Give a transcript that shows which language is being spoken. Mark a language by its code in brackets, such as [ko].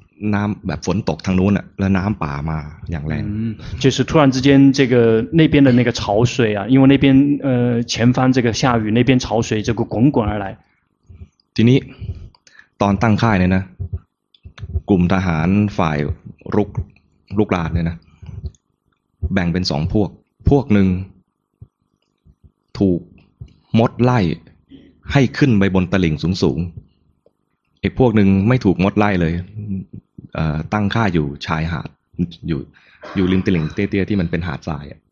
[th] น้ำแบบฝนตกทางนู้นน่ะแล้วน้ำป่ามาอย่างแรง [zh] 就是突然之间这个那边的那个潮水啊因为那边前方这个下雨那边潮水这个滚滚而来 [th] ทีนี้ตอนตั้งค่ายเนี่ยนะกลุ่มทหารฝ่ายลุกลานเนี่ยนะแบ่งเป็นสองพวกพวกหนึ่งถูกมดไล่ให้ขึ้นไปบนตะหลิ่งสูงๆไอ้พวกหนึ่งไม่ถูกมดไล่เลยตั้งค่าอยู่ชายหาดอยู่ริมตะหลิ่งเตี้ยๆที่มันเป็นหาดทราย